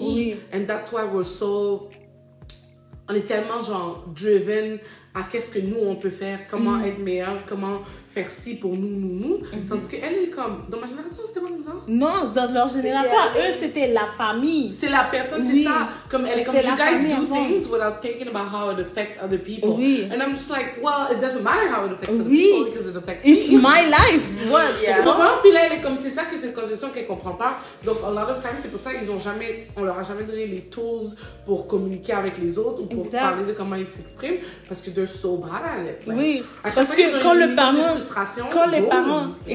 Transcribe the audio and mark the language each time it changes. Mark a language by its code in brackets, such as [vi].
[fr] Oui. [en] And that's why we're so... [fr] On est tellement, genre, driven à qu'est-ce que nous, on peut faire, comment mm-hmm. être meilleur, comment... faire ci pour nous, nous, nous. Mm-hmm. Tandis qu'elle est comme... Dans ma génération, c'était pas comme ça. Non, dans leur génération, eux, c'était la famille. C'est la personne, c'est ça. Comme, elle est comme, [en] you guys do things without thinking about how it affects other people. [fr] Oui. [en] And I'm just like, well, it doesn't matter how it affects other people because it affects me. It's my life. What? Yeah. Yeah. [fr] Puis là, elle est comme, c'est ça que cette conversation qu'elle comprend pas. Donc, [en] a lot of times, [fr] c'est pour ça qu'ils ont jamais... On leur a jamais donné les tools pour communiquer avec les autres ou pour exact. Parler de comment ils s'expriment parce que [en] they're so bad at it. [fr] Like, oui. Parce que quand le parent... Quand les parents, yeah.